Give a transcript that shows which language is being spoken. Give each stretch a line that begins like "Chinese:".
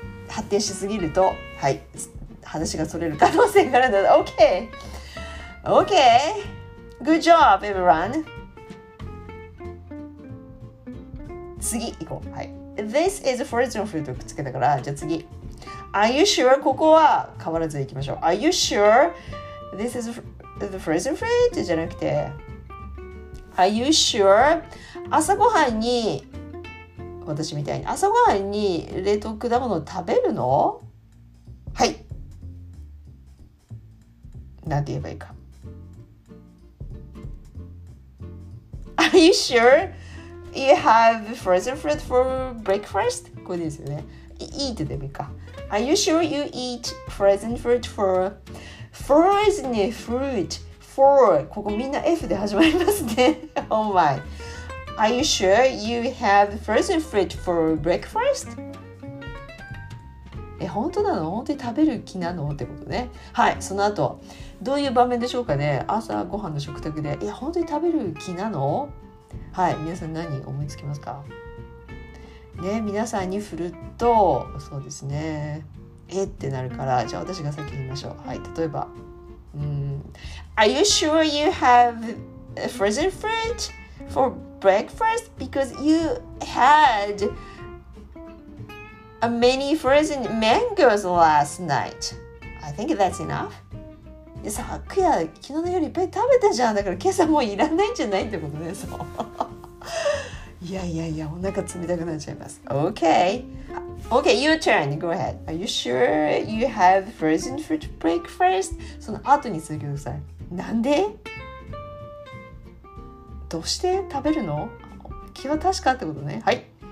Japanese: 発展しすぎると、はい、話が逸れる可能性があるので、OK。
English: OK。 Good job, everyone.
Japanese: 次、行こう。はい。
English: This is frozen food
Japanese: とくっつけたから、じゃあ次。
English: Are you sure?
Japanese: ここは変わらず行きましょう。
English: Are you sure? This is the frozen fruit
Japanese: じゃなくて、
English: Are you sure?
Japanese: 朝ごはんに、私みたいに朝ごはんに冷凍果物を食べるの？はい。なんて言えばいいか。
English: Are you sure you have frozen fruit for breakfast?
Japanese: これですよね。Eat でもいいか。
English: Are you sure you eat frozen fruit for...Frozen fruit forward.
Japanese: ここみんな F で始まりますね。
English: Oh my. Are you sure you have frozen fruit for breakfast?
Japanese: え、本当なの？本当に食べる気なの？ってことね。はい、その後どういう場面でしょうかね。朝ご飯の食卓で、いや本当に食べる気なの？はい、皆さん何思いつきますか？ね、皆さんに振るとそうですね、えってなるから、じゃあ私が先に言いましょう。はい、例えば、
English: Are you sure you have frozen fruit for breakfast? Because you had a many frozen mangoes last night. I think that's enough.
Japanese: さあ、昨夜、昨日の夜いっぱい食べたじゃん。だから今朝もういらないんじゃないってことね。そう。いやいやいや、お腹冷たくなっちゃいます。
English: Okay. Okay, your turn. Go ahead. Are you sure you have frozen fruit breakfast?
Japanese: その後に続けてください。なんで？どうして食べるの？気は確かってことね。はい。